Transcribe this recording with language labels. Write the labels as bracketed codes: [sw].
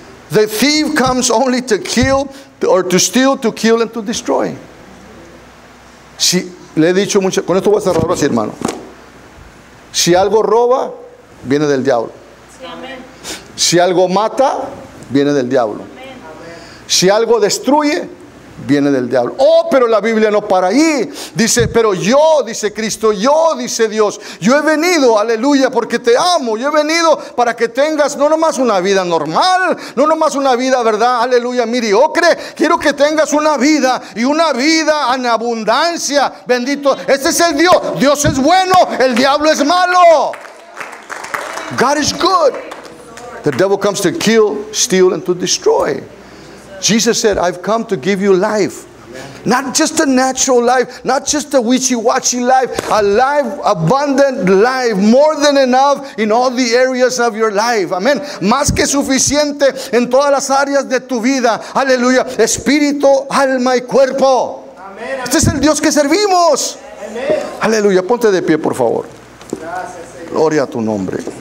[en] The thief comes only to kill, or to steal, to kill, and to destroy. [es] Si, le he dicho mucho, con esto voy a cerrar así, hermano. Si algo roba, viene del diablo. Si algo mata, viene del diablo. Si algo destruye, viene del diablo. Oh, pero la Biblia no para ahí. Dice, pero yo, dice Cristo, yo, dice Dios, yo he venido, aleluya, porque te amo. Yo he venido para que tengas no nomás una vida normal, no nomás una vida, verdad, aleluya, mediocre. Quiero que tengas una vida, y una vida en abundancia. Bendito, este es el Dios. Dios es bueno, el diablo es malo. [en] God is good. The devil comes to kill, steal, and to destroy. Jesus said, I've come to give you life. Amen. Not just a natural life, not just a wishy-washy life, a life, abundant life, more than enough in all the areas of your life. Amen. [es] Más que suficiente en todas las áreas de tu vida. Aleluya. Espíritu, alma y cuerpo. Amen. Este es el Dios que servimos. Amen. Aleluya. Ponte de pie, por favor. Gracias, Señor. Gloria a tu nombre.